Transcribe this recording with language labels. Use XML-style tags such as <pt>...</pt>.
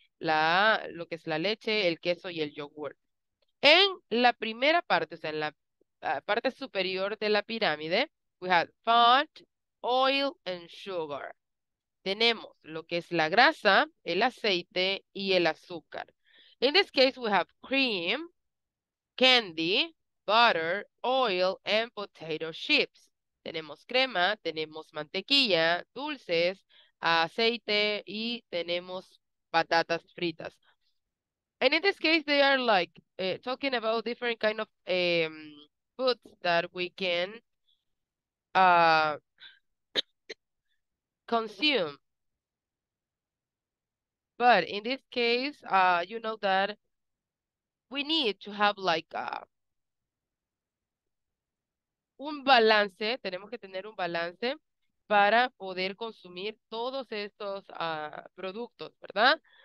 <es>Lo que es la leche, el queso y el yogur. En la primera parte, o sea, en la parte superior de la pirámide,</es> <en>we have fat, oil, and sugar.</en> <es>Tenemos lo que es la grasa, el aceite y el azúcar.</es> <en>In this case, we have cream, candy, butter, oil, and potato chips.</en> <es>Tenemos crema, tenemos mantequilla, dulces, aceite y tenemos patatas fritas.</es> <en>And in this case, they are like talking about different kind of foods that we can consume. But in this case, you know that we need to have like a</en> <es>un balance, tenemos que tener un balance para poder consumir todos estos productos, ¿verdad?</es>